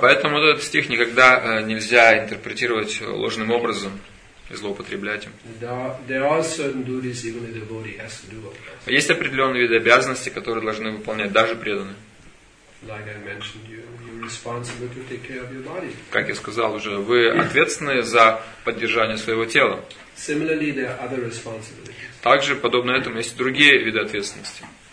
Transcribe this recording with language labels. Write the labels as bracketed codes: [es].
[ru] Поэтому этот стих никогда нельзя интерпретировать ложным образом и злоупотреблять им. [en] There are certain duties even a devotee has to do. [ru] Есть определенные виды обязанностей, которые должны выполнять даже преданные. [en] Like I mentioned, you're responsible to take care of your body. [ru] Как я сказал уже, вы ответственны за поддержание своего тела. [en] Similarly, there are other responsibilities. [ru] Также, подобно этому, есть другие виды ответственности.